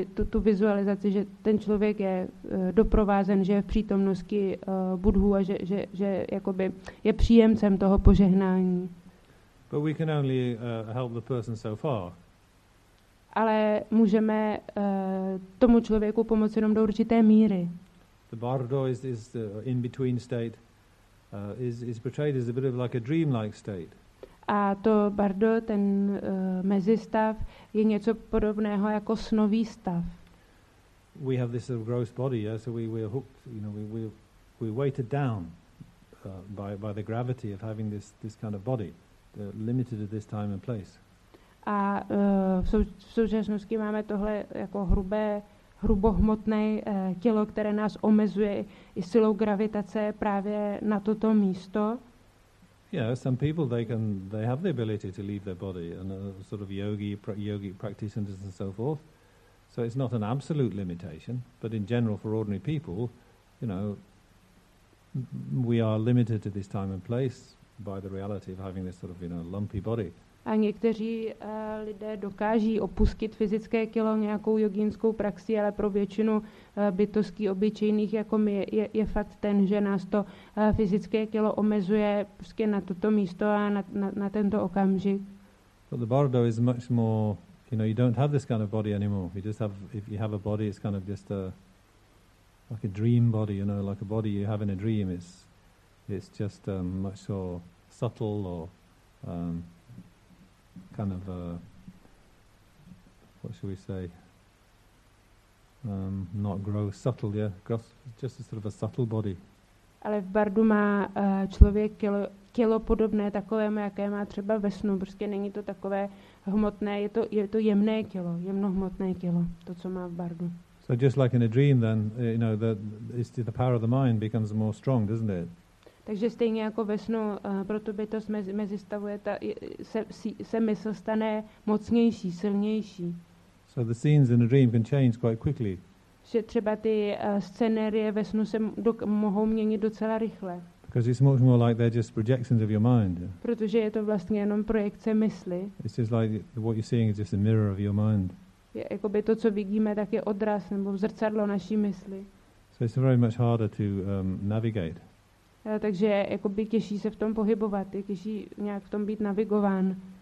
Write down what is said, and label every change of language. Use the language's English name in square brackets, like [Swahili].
[Czech] Tu vizualizaci, že ten člověk je doprovázen, že je v přítomnosti Buddhu a že je příjemcem toho požehnání. [English] But we can only help the person so far. [Czech] Ale můžeme tomu člověku pomoci jenom do určité míry. [English] The bardo is the in-between state, is portrayed as a bit of like a dream-like state. [Czech] A to bardo, ten mezistav, je něco podobného jako snový stav. [English] We have this gross body, yeah? So we are hooked, we're weighted down by the gravity of having this kind of body, limited at this time and place. [Czech] A v současnosti máme tohle jako hrubohmotné tělo, které nás omezuje i silou gravitace právě na toto místo. [English] Yeah, some people they have the ability to leave their body, and sort of yogi practitioners and so forth. So it's not an absolute limitation, but in general, for ordinary people, we are limited to this time and place by the reality of having this sort of lumpy body. [Czech] A někteří lidé dokáží opustit fyzické tělo nějakou jogínskou praxí, ale pro většinu bytostí obyčejných jako my je fakt ten, že nás to fyzické tělo omezuje prostě na toto místo a na tento okamžik. [English] But the bardo is much more, you don't have this kind of body anymore. You just have, if you have a body, it's kind of just like a dream body, like a body you have in a dream. It's just much more subtle or kind of not gross, subtle, yeah, gross, just a sort of a subtle body. [Czech] Ale v bardu má člověk tělo podobné takovému, jaké má třeba ve snu, prostě není to takové hmotné, je to jemné tělo, jemnohmotné tělo, to co má v bardu. [English] So just like in a dream then, the power of the mind becomes more strong, doesn't it? [Czech] Takže stejně jako ve snu, pro tu bytost mezistavuje, se mysl stane mocnější, silnější. [English] So the scenes in a dream can change quite quickly. [Czech] Že třeba ty scenérie ve snu se mohou měnit docela rychle. [English] Because it's much more like they're just projections of your mind. [Czech] Protože je to vlastně jenom projekce mysli. [English] It's just like what you're seeing is just a mirror of your mind. [Czech] Jakoby to, co vidíme, tak je odraz nebo zrcadlo naší mysli. [English] So it's very much harder to navigate. [Czech] takže jakoby těší se v tom pohybovat, je těší nějak v tom být navigován.